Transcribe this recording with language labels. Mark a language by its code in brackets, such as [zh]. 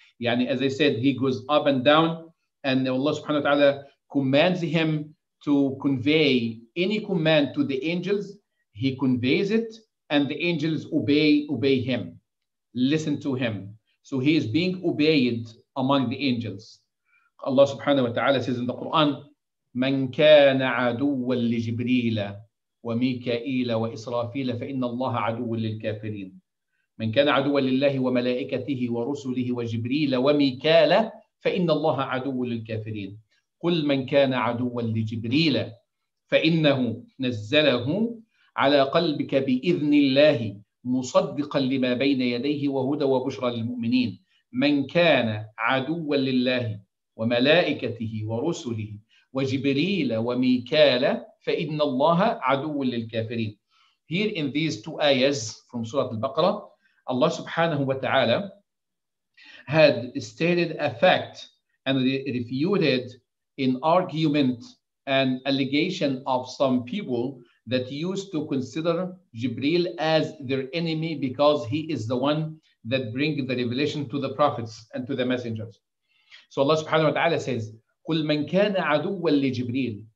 [en] Yani, as I said, he goes up and down, and Allah subhanahu wa ta'ala commands him to convey any command to the angels. He conveys it, and the angels obey him, listen to him. So he is being obeyed among the angels. Allah subhanahu wa ta'ala says in the Quran, [ar] من كان عدوا لجبريل وميكائيل وإسرافيل فإن الله عدو للكافرين. من كان عدوا لله وملائكته ورسله وجبريل وميكائيل فإن الله عدو للكافرين. قل من كان عدوا لجبريل فإنه نزله على قلبك بإذن الله مصدقا لما بين يديه وهدى وبشرى للمؤمنين. من كان عدوا لله وملائكته ورسله وجبريل وميكائيل فإن الله عدو للكافرين. [en] Here in these two ayahs from Surah Al-Baqarah, Allah subhanahu wa ta'ala had stated a fact and refuted an argument and allegation of some people that used to consider Jibreel as their enemy because he is the one that brings the revelation to the prophets and to the messengers. So Allah subhanahu wa ta'ala says, [ar] قُلْ مَنْ كَانَ عَدُوًّا لِجِبْرِيلِ.